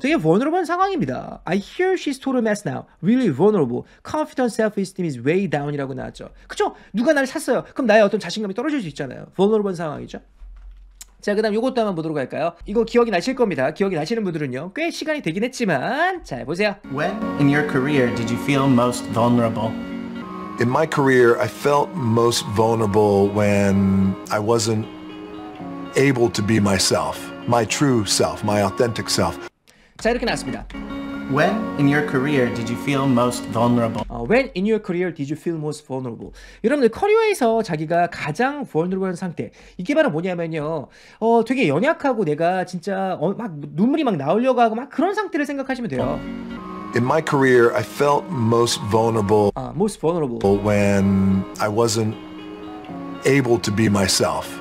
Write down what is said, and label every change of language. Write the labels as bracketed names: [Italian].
[Korean] 되게 vulnerable 상황입니다. [English] I hear she's total mess now. Really vulnerable. Confident self-esteem is way down [Korean] 이라고 나왔죠. 그쵸? 누가 나를 샀어요. 그럼 나의 어떤 자신감이 떨어질 수 있잖아요. vulnerable 상황이죠. 자, 그 다음 요것도 한번 보도록 할까요? 이거 기억이 나실 겁니다. 기억이 나시는 분들은요. 꽤 시간이 되긴 했지만 자, 보세요. [English] When in your career did you feel most vulnerable? In my career, I felt most vulnerable when I wasn't able to be myself. My true self, my authentic self. [Korean] 자, 이렇게 나왔습니다. [English] When in your career did you feel most vulnerable? When in your career did you feel most vulnerable? [Korean] 여러분들 커리어에서 자기가 가장 vulnerable한 상태 이게 바로 뭐냐면요 되게 연약하고 내가 진짜 막 눈물이 막 나오려고 하고 막 그런 상태를 생각하시면 돼요. [English] In my career I felt most vulnerable most vulnerable when I wasn't able to be myself.